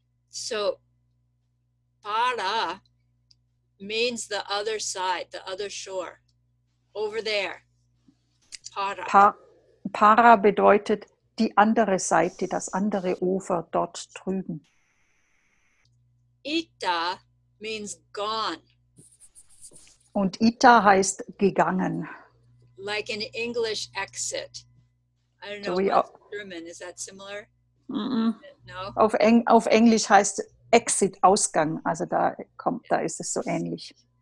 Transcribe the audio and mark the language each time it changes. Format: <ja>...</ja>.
<en>So, para means the other side, the other shore, over there. Para.</en> <de>Para bedeutet die andere Seite, das andere Ufer dort drüben.</de> <en>Ita means gone.</en> <de>Und Ita heißt gegangen.</de> <en>Like an English exit. I don't know, so German, is that similar? Mm-mm. No.</en> <de>Auf Englisch heißt Exit, Ausgang, also da kommt, da ist es so ähnlich.</de>